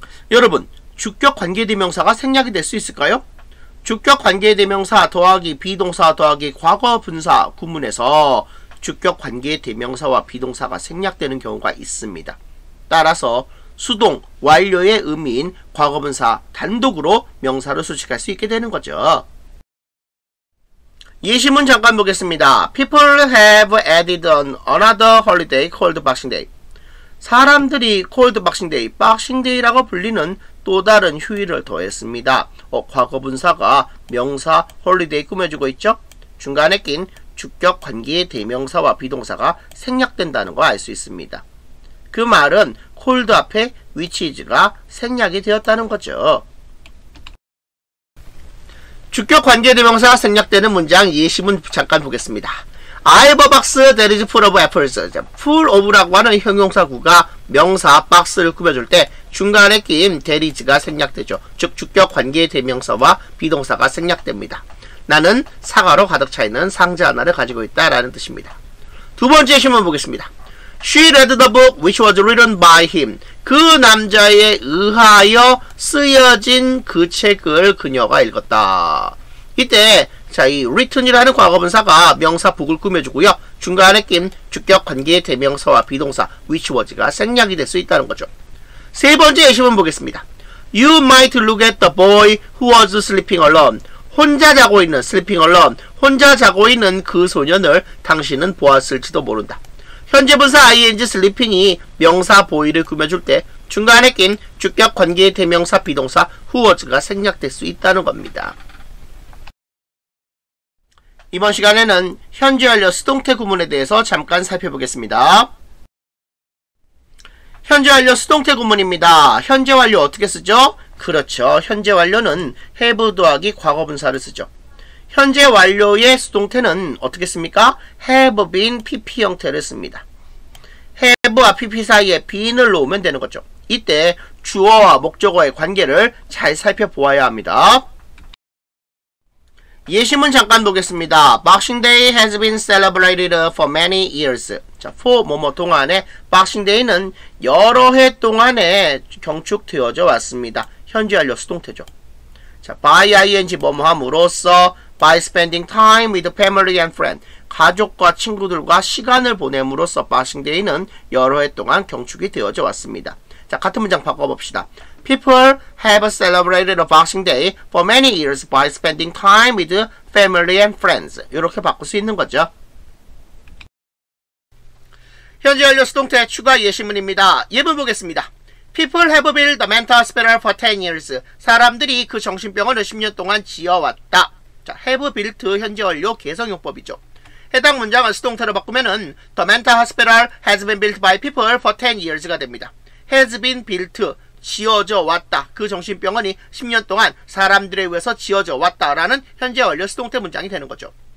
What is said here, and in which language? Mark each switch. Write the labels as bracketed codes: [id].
[ko] 여러분, 주격 관계의 대명사가 생략이 될 수 있을까요? 주격 관계의 대명사 더하기 비동사 더하기 과거 분사 구문에서 주격 관계의 대명사와 비동사가 생략되는 경우가 있습니다. 따라서 수동, 완료의 의미인 과거 분사 단독으로 명사를 수식할 수 있게 되는 거죠. 예시문 잠깐 보겠습니다. [en] People have added on another holiday called Boxing Day. [ko] 사람들이 [en] called Boxing Day, [ko] Boxing Day라고 불리는 또 다른 휴일을 더했습니다. 과거분사가 명사 holiday 꾸며주고 있죠? 중간에 낀 주격 관계의 대명사와 비동사가 생략된다는 거 알 수 있습니다. 그 말은 called 앞에 which is가 생략이 되었다는 거죠. 주격 관계대명사 생략되는 문장 예시문 잠깐 보겠습니다. [en] I have a box that is full of apples. [ko] Full of라고 하는 형용사구가 명사 박스를 꾸며줄 때 중간에 낀 that is가 생략되죠. 즉 주격 관계대명사와 비동사가 생략됩니다. 나는 사과로 가득 차있는 상자 하나를 가지고 있다 라는 뜻입니다. 두 번째 예시문 보겠습니다. [en] She read the book which was written by him. [ko] 그 남자에 의하여 쓰여진 그 책을 그녀가 읽었다. 이때 자, 이 written이라는 과거분사가 명사 book을 꾸며주고요. 중간에 낀 주격관계의 대명사와 비동사 which was가 생략이 될 수 있다는 거죠. 세 번째 예시문 보겠습니다. [en] You might look at the boy who was sleeping alone. [ko] 혼자 자고 있는 [en] sleeping alone, [ko] 혼자 자고 있는 그 소년을 당신은 보았을지도 모른다. 현재 분사 ing sleeping이 명사 boy를 꾸며줄 때 중간에 낀 주격 관계의 대명사 비동사 who was가 생략될 수 있다는 겁니다. 이번 시간에는 현재 완료 수동태 구문에 대해서 잠깐 살펴보겠습니다. 현재 완료 수동태 구문입니다. 현재 완료 어떻게 쓰죠? 그렇죠. 현재 완료는 have 더하기 과거분사를 쓰죠. 현재 완료의 수동태는 어떻게 씁니까? have been pp 형태를 씁니다. have와 pp 사이에 been을 놓으면 되는 거죠. 이때 주어와 목적어의 관계를 잘 살펴보아야 합니다. 예시문 잠깐 보겠습니다. [en] Boxing Day has been celebrated for many years. [ko] 자, for 뭐뭐 동안에 Boxing Day는 여러 해 동안에 경축되어져 왔습니다. 현재 완료 수동태죠. 자, by ing 뭐뭐함으로써 [en] by spending time with family and friends [ko] 가족과 친구들과 시간을 보냄으로써 Boxing Day는 여러 해 동안 경축이 되어져 왔습니다. 자, 같은 문장 바꿔봅시다. [en] People have celebrated a Boxing Day for many years by spending time with family and friends. [ko] 이렇게 바꿀 수 있는 거죠. 현재 완료 수동태 추가 예시문입니다. 예문 보겠습니다. [en] People have built a mental hospital for 10 years. [ko] 사람들이 그 정신병원을 10년 동안 지어왔다. 자, have built 현재 완료 개성용법이죠. 해당 문장을 수동태로 바꾸면은 [en] The mental hospital has been built by people for 10 years [ko] 가 됩니다. [en] Has been built, [ko] 지어져 왔다. 그 정신병원이 10년 동안 사람들에 의해서 지어져 왔다라는 현재 완료 수동태 문장이 되는 거죠.